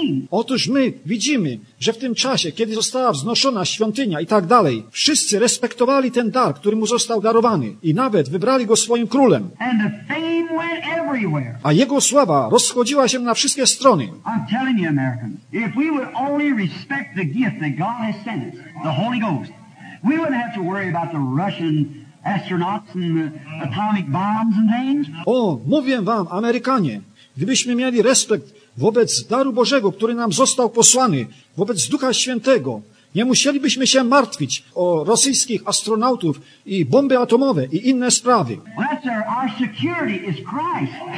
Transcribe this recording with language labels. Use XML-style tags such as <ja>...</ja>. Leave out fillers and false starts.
<pl>Otóż my widzimy, że w tym czasie, kiedy została wznoszona świątynia i tak dalej, wszyscy respektowali ten dar, który mu został darowany i nawet wybrali go swoim królem.</pl> <en>And the fame went everywhere.</en> <pl>A jego sława rozchodziła się na wszystkie strony.</pl> <en>I'm telling you, Americans, if we would only respect the gift that God has sent us, the Holy Ghost, we wouldn't have to worry about the Russian astronauts and the atomic bombs and things.</en> <pl>O, mówię wam, Amerykanie, gdybyśmy mieli respekt wobec daru Bożego, który nam został posłany, wobec Ducha Świętego, nie musielibyśmy się martwić o rosyjskich astronautów i bomby atomowe i inne sprawy.</pl> <en>Well, sir, our security is Christ.</en>